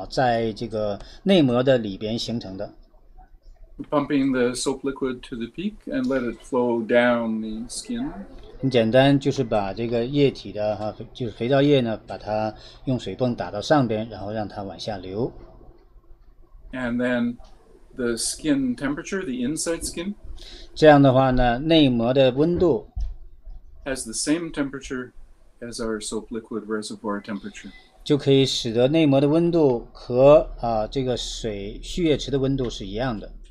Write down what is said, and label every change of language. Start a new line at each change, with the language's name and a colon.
Chinese: 它是一层非常薄的那个水膜在这个内膜的里边形成的。
English: Pumping the soap liquid to the peak and let it flow down the skin.
Chinese: 很简单，就是把这个液体的，就是肥皂液呢，把它用水泵打到上边，然后让它往下流。
English: And then the skin temperature, the inside skin.
Chinese: 这样的话呢，内膜的温度
English: has the same temperature as our soap liquid reservoir temperature.
Chinese: 就可以使得内膜的温度和这个水蓄液池的温度是一样的。